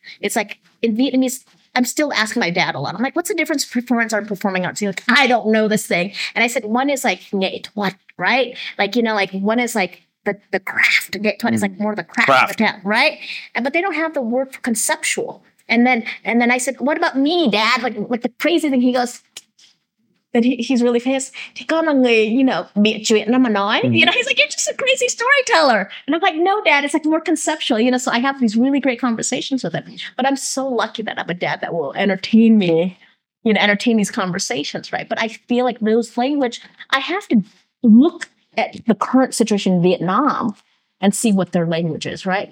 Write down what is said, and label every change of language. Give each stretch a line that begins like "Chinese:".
English: It's like, in Vietnamese, I'm still asking my dad a lot. I'm like, what's the difference between performance art and performing arts? He's like, I don't know this thing. And I said, one is like, Nghệ thuật, right? Like, you know, like one is like the craft. Nghệ thuật is like more the craft of the town, right? But they don't have the word for conceptual. And then I said, what about me, dad? Like the crazy thing. He goes, that he's really famous.
Vietnamese: Thì con là người,
English: you know,
Vietnamese: bịa chuyện nó mà nói.
English: You know, he's like, you're just a crazy storyteller. And I'm like, no, dad, it's like more conceptual. You know, so I have these really great conversations with him. But I'm so lucky that I have a dad that will entertain me you know, entertain these conversations, right? But I feel like those language, I have to look at the current situation in Vietnam and see what their language is, right?